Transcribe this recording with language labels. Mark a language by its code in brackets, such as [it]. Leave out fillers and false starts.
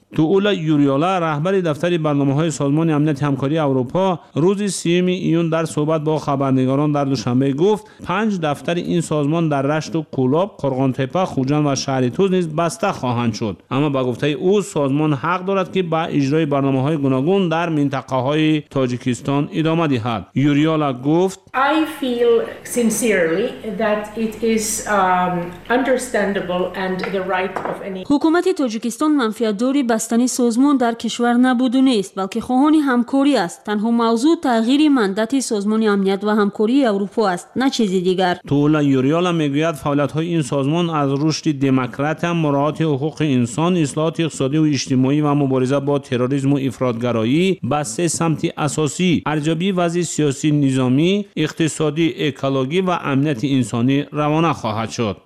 [fa] تولا یوریولا رهبر دفتر برنامه‌های سازمان امنیت همکاری اروپا روز 3 ایون در صحبت با خبرنگاران در دوشنبه گفت 5 دفتر این سازمان در رشت و کولاب، قرغان‌تپه، خوجند و شهرتوز نیز بسته خواهند شد. اما با گفته او سازمان حق دارد که به اجرای برنامه‌های گوناگون در منطقه‌های تاجیکستان ادامه دهد. یوریولا گفت: [en] I feel sincerely that it is understandable and the right of any [fa] حکومت تاجیکستان منفعت داری بستنی سازمان در کشور نبود و نیست، بلکه خواهان همکاری است. تنها موضوع تغییر مندت سازمان امنیت و همکاری اروپا است، نه چیز دیگر. تولا یوریولا میگوید فعالیت های این سازمان از رشد دموکرات، مراعات حقوق انسان، اصلاحات اقتصادی و اجتماعی و مبارزه با تروریسم و افراطگرایی به 3 سمت اساسی ارزیابی وضع سیاسی، نظامی، اقتصادی، اکولوژی و امنیت انسانی روانه خواهد شد.